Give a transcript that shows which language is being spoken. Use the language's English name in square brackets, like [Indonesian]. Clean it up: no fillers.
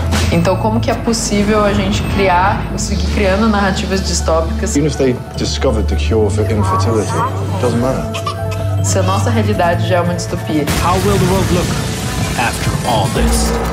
[Portuguese] Então, como que é possível a gente criar, seguir criando narrativas distópicas? [English] Even if they discovered the cure for infertility, it doesn't matter. [Portuguese] Se a nossa realidade já é uma distopia. [English] How will the world look after all this?